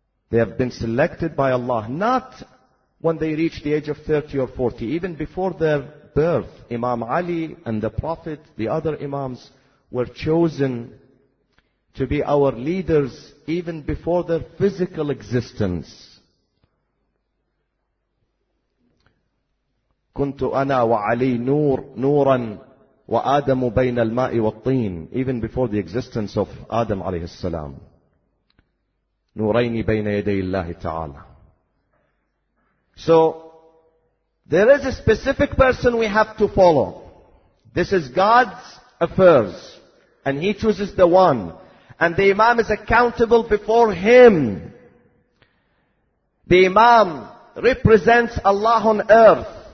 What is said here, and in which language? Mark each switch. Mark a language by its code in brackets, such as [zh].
[en] They have been selected by Allah, not when they reach the age of 30 or 40, even before their birth. Imam Ali and the Prophet, the other Imams, were chosen to be our leaders even before their physical existence. [ar] كنت أنا وعلي نور نورا وآدم بين الماء والطين. [en] Even before the existence of Adam عليه السلام. [ar] نورين بين يدي الله تعالى. [en] So, there is a specific person we have to follow. This is God's affairs. And He chooses the one. And the Imam is accountable before Him. The Imam represents Allah on earth.